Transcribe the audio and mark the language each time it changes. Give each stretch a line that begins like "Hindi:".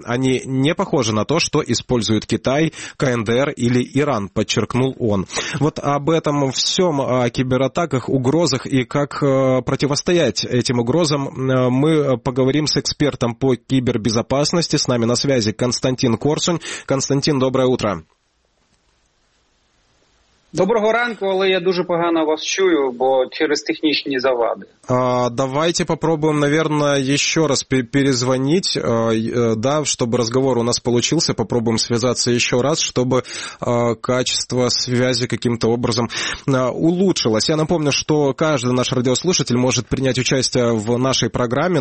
Russian: Они не похожи на то, что используют Китай, КНДР или Иран, подчеркнул он. Вот об этом всем, о кибератаках, угрозах и как противостоять этим угрозам, мы поговорим с экспертом по кибербезопасности. С нами на связи Константин Корсунь. Константин, доброе утро.
Ukrainian: Доброго ранку, але я дуже погано вас чую, бо через технічні завади.
Russian: Давайте попробуем, наверное, еще раз перезвонить, да, чтобы разговор у нас получился. Попробуем связаться еще раз, чтобы качество связи каким-то образом улучшилось. Я напомню, что каждый наш радиослушатель может принять участие в нашей программе.